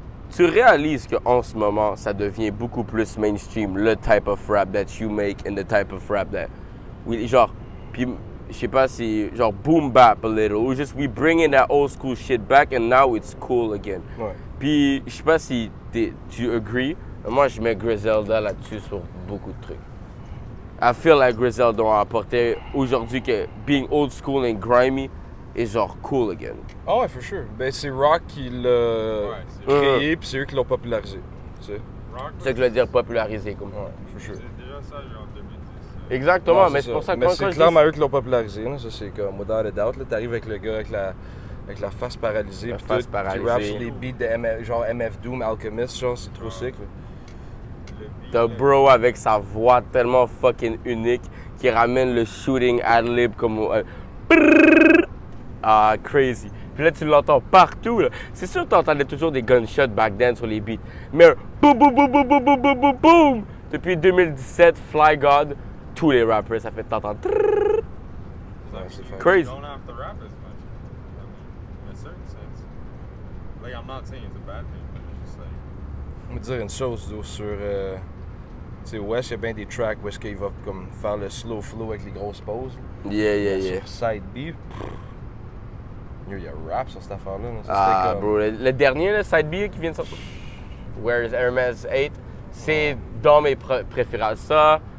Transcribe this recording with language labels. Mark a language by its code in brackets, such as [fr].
[fr] Tu réalises qu'en ce moment, ça devient beaucoup plus mainstream, le [en] type of rap that [fr] you make and the type of rap that. Oui, genre. Puis. Je sais pas si, genre, boom bap [en] a little. We just, we bring in that old school shit back and now it's cool again. [fr] Ouais. Puis, je sais pas si tu agree. Moi, je mets Griselda là-dessus sur beaucoup de trucs. [en] I feel like Griselda [fr] a apporté aujourd'hui que [en] being old school and grimy est genre cool again. [fr] Oh, ouais, [en] for sure. [fr] Ben, c'est Rock qui l'a créé, puis c'est eux qui l'ont popularisé. Tu sais? C'est ce que je veux dire, popularisé, comme. Ouais, [en] for sure. [fr] C'est déjà ça, genre. Exactement, non, mais c'est pour ça que moi, c'est clairement eux qui l'ont popularisé. Là. Ça, c'est comme [en] without a doubt. [fr] Là. T'arrives avec le gars avec la face paralysée. La face paralysée. Tu rap sur des beats de genre MF Doom, Alchemist, genre, c'est trop sick. Là. The bro avec sa voix tellement fucking unique qui ramène le shooting ad lib comme. Ah, crazy. Puis là, tu l'entends partout. Là. C'est sûr que t'entendais toujours des gunshots back then sur les beats. Mais boum, boum, boum, boum, boum, boum, boum, boum, boum. Depuis 2017, Fly God. Tous les rappers, ça fait t'entendre. C'est crazy. [en] You don't have to rap as much. I mean, in a certain sense. Like, I'm not saying it's a bad thing, but it's just like. [fr] On va dire une chose, though, sur. Tu sais, Wes, il y a bien des tracks où est-ce qu'il va comme, faire le slow flow avec les grosses pauses. [en] Yeah, yeah, yeah. [fr] Sur Side B. Yo, il y a rap sur cette affaire-là. Ça, ah, comme... bro, le dernier, le Side B qui vient de sortir. [en] Where is [fr] Hermes 8? C'est dans mes préférés. Ça.